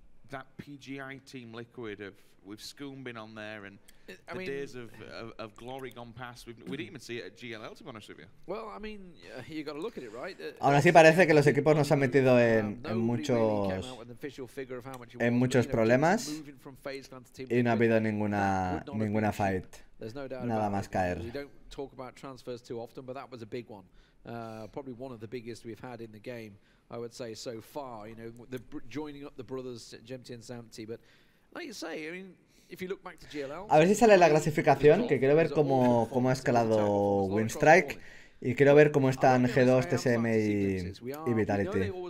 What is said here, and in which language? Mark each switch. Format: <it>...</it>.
<en>That PGI team Liquid of with Scoom been on there and the days of glory gone past. We didn't even see it at GLL, to be honest with you. Well, I mean, you got to look at it, right?</en> <es>Aún así parece que los equipos nos han metido en muchos problemas y no ha habido ninguna fight.</es> <en>There's no doubt.</en> <es>Nada más caer.</es> <en>We don't talk about transfers too often, but that was a big one. Probably one of the biggest we've had in the game. I would say so far, you know, the joining up the brothers Jemty and Samty, but like you say, I mean, if you look back to GLL.</en> <es>A ver si sale la clasificación, que quiero ver cómo ha escalado Winstrike y quiero ver cómo están G2, TSM y Vitality.</es>